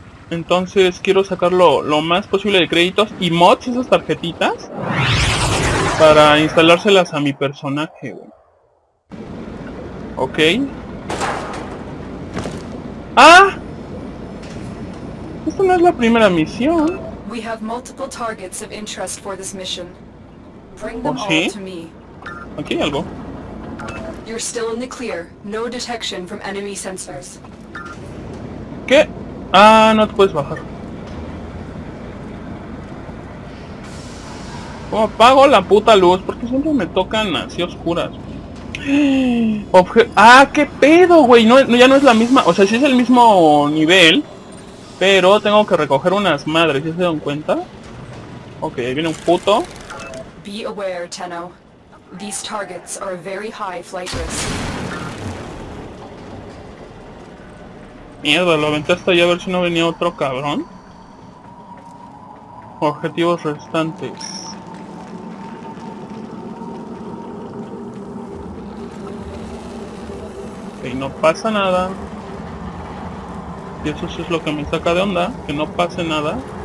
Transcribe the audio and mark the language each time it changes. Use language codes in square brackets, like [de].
[es] Entonces quiero sacar lo más posible de créditos y mods, esas tarjetitas, para instalárselas a mi personaje, güey. Ok. ¡Ah! Esta no es la primera misión. [en] We have multiple targets of interest for this mission. Bring them all to me. [es] Aquí hay algo. [en] You're still in the clear. No detection from enemy sensors. [es] ¿Qué? Ah, no te puedes bajar. ¿Cómo apago la puta luz? Porque siempre me tocan así oscuras. ¡Ah, qué pedo, güey! No, ya no es la misma. O sea, sí es el mismo nivel. Pero tengo que recoger unas madres. ¿Ya se dan cuenta? Ok, ahí viene un puto. [en] Be aware, Tenno. These targets are very high flight risk. [es] Mierda, lo aventé hasta allá a ver si no venía otro cabrón. Objetivos restantes. Ok, no pasa nada. Y eso sí es lo que me saca de onda, que no pase nada.